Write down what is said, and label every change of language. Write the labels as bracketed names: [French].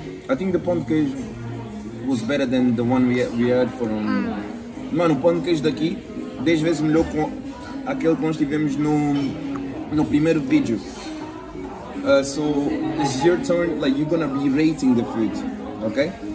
[English] I think the pão de queijo was better than the one we had from... [Portuguese] Mano, o pão de queijo daqui 10 vezes melhor com aquele que nós tivemos no primeiro vídeo. [English] So, it's your turn, like you're gonna be rating the food, ok?